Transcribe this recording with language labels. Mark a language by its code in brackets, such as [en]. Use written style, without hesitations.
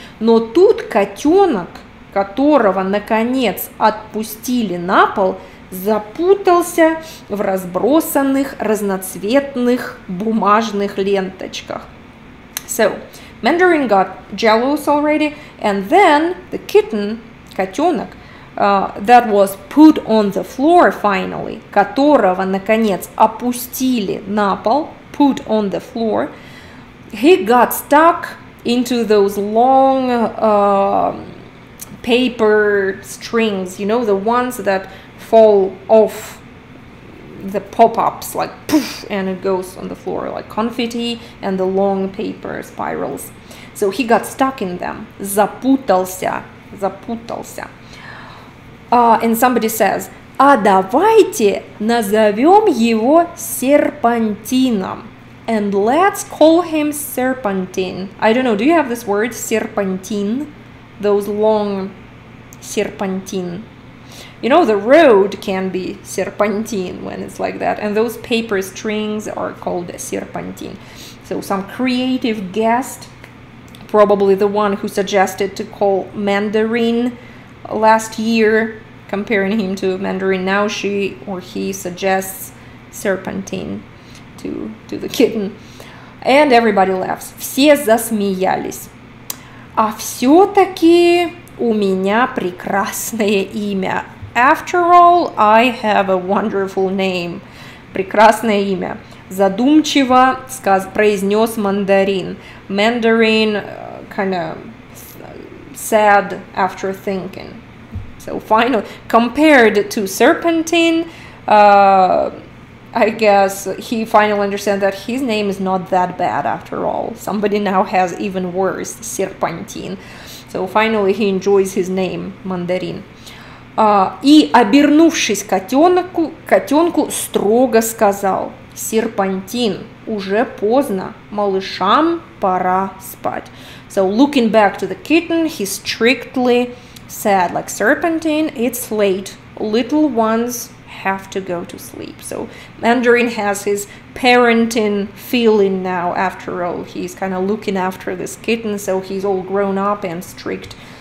[ru] Но тут котенок, которого наконец отпустили на пол, запутался в разбросанных разноцветных бумажных ленточках. [en] So, Mandarin got jealous already, and then the kitten, котенок, that was put on the floor finally, [ru] которого, наконец, опустили на пол, [en] put on the floor, he got stuck into those long paper strings, you know, the ones that fall off the pop-ups, like poof, and it goes on the floor, like confetti and the long paper spirals. So he got stuck in them. [ru] Запутался, запутался. [en] And somebody says, [ru] а давайте назовем его серпантином. [en] And let's call him Serpentine. I don't know, do you have this word, serpentine? Those long serpentine. You know, the road can be serpentine when it's like that. And those paper strings are called serpentine. So some creative guest, probably the one who suggested to call Mandarin last year, comparing him to Mandarin, now she or he suggests serpentine to the kitten. And everybody laughs. [ru] Все засмеялись. А все-таки у меня прекрасное имя. [en] After all, I have a wonderful name. [ru] Прекрасное имя. Задумчиво произнес мандарин. [en] Mandarin kind of sad after thinking. So finally, compared to serpentine, I guess he finally understands that his name is not that bad after all. Somebody now has even worse, serpentine. So finally, he enjoys his name, Mandarin. [ru] И обернувшись котенку строго сказал, серпантин, уже поздно, малышам пора спать. [en] So looking back to the kitten, he strictly said, like, serpentine, it's late, little ones have to go to sleep. So Mandarin has his parenting feeling now, after all, he's kind of looking after this kitten, so he's all grown up and strict.